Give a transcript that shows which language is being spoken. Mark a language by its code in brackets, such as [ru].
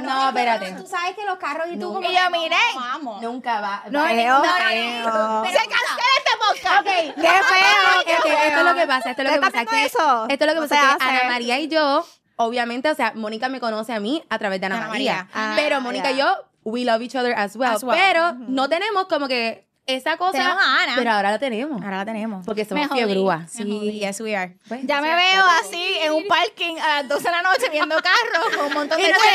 [es] no, espérate. Tú sabes que los carros y tú nunca, como... Y yo, miren. Vamos. Nunca va. No, va, no, no. Se cancela este podcast. Ok. Qué feo. Esto es lo que pasa. Esto es lo que pasa. Eso. Esto es lo que pasa. Ana María y yo, obviamente, o sea, Mónica me conoce a mí a través de Ana María. Pero Mónica y yo, [en] we love each other as well. [es] Pero no tenemos como que... Esa cosa, tenemos a Ana. Pero ahora la tenemos. Ahora la tenemos. Porque somos fiebrúas. Sí, [en] yes we are. [es] Pues, ya me veo así en un parking a las 12 de la noche viendo carros con un montón de